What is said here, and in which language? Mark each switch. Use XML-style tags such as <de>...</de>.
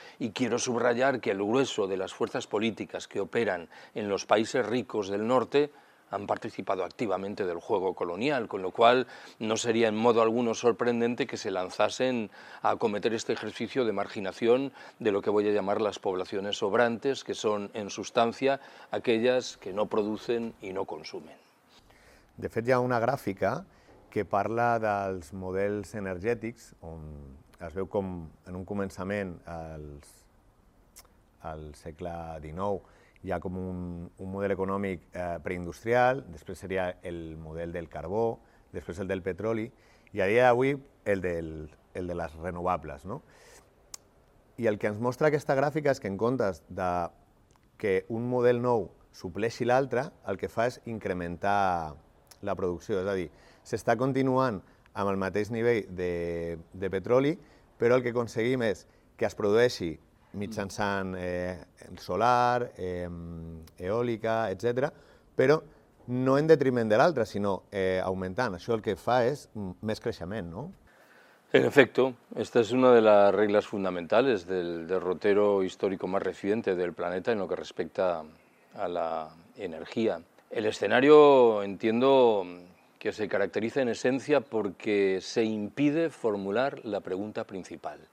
<es>Y quiero subrayar que el grueso de las fuerzas políticas que operan en los países ricos del norte han participado activamente del juego colonial, con lo cual no sería en modo alguno sorprendente que se lanzasen a acometer este ejercicio de marginación de lo que voy a llamar las poblaciones sobrantes, que son en sustancia aquellas que no producen y no consumen.</es> <ca>De fet, hi ha una gràfica que parla dels models energètics, on es veu com en un començament, al segle XIX, hi ha com un model econòmic preindustrial, després seria el model del carbó, després el del petroli, i a dia d'avui el de les renovables. No? I el que ens mostra aquesta gràfica és que en comptes de que un model nou supleixi l'altre, el que fa és incrementar la producció, és a dir, s'està continuant amb el mateix nivell de petroli, però el que aconseguim és que es produeixi mitjançant solar, eòlica, etc., però no en detriment de l'altre, sinó augmentant. Això el que fa és més creixement, no?</ca> <es>En efecto, esta es una de las reglas fundamentales del derrotero histórico más reciente del planeta en lo que respecta a la energía. El escenario entiendo que se caracteriza en esencia porque se impide formular la pregunta principal.</es>